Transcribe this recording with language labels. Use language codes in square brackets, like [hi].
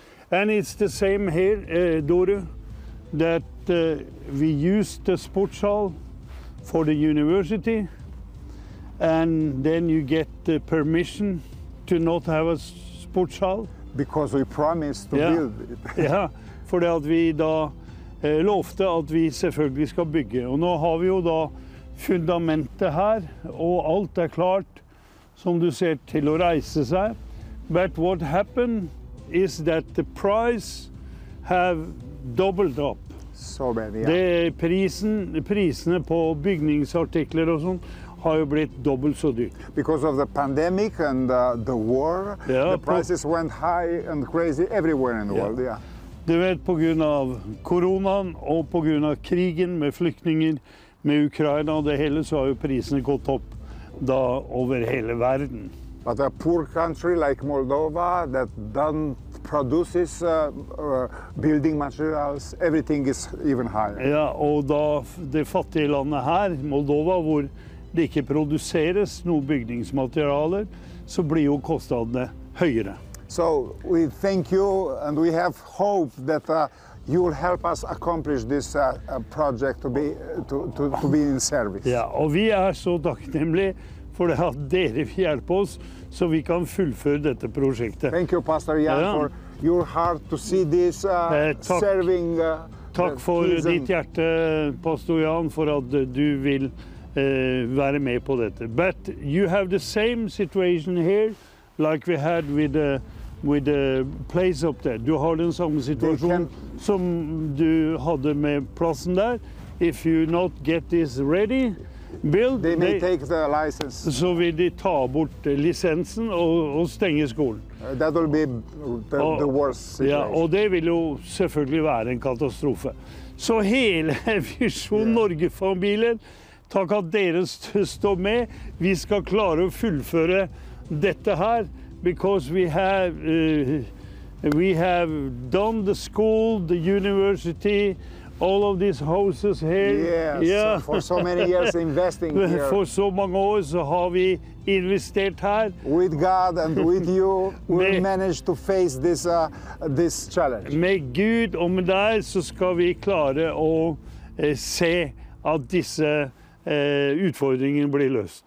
[en] And it's the same here, Doru, that we used the sports hall for the university, and then you get the permission to not have a sports hall. Because we promised to build it. [no] Yeah, for at vi da lovte at vi selvfølgelig skal bygge, og nå har vi jo da fundamentet her, og alt klart, som du ser, til å reise seg. [en] But what happened is that the price have doubled up. So bad, yeah. [no] Det prisene på bygningsartikler og sånt har jo blitt dobbelt så dyrt. [en] Because of the pandemic and the war, the prices went high and crazy everywhere in the world, yeah. [no] Du vet, på grunn av koronaen og på grunn av krigen med flyktninger, med Ukraina og det hele, så har jo prisene gått opp da over hele verden. [en] But a poor country like Moldova that don't produces building materials, everything is even higher. [no] Ja, og da det fattige landet her, Moldova, hvor det ikke produseres noen bygningsmaterialer, så blir jo kostnadene høyere. [en] So we thank you and we have hope that you will help us accomplish this project to be in service. [no] Ja, og vi så takknemlige for at dere vil hjelpe oss så vi kan fullføre dette prosjektet. [en] Thank you, Pastor Jan, for your heart to see this serving. [no] Takk for ditt hjerte, Pastor Jan, for at du vil være med på dette. [en] But you have the same situation here like we had with the place up there. [no] Du har den samme situasjonen som du hadde med plassen der. [en] If you not get this ready, build, they may take the license. [no] Så vil de ta bort lisensen og stenge skolen. [en] That will be the worst situation. [no] Ja, og det vil jo selvfølgelig være en katastrofe. Så hele Visjon Norge-familien, takk at dere står med. Vi skal klare å fullføre dette her. [en] Because we have We have done the school, the university, all of these houses here. Yes, yeah. For so many years investing here. For so many years, how we invested here. With God and with you, we managed to face this this challenge. [no] Med Gud og med deg, så skal vi klare å se at disse utfordringene blir løst.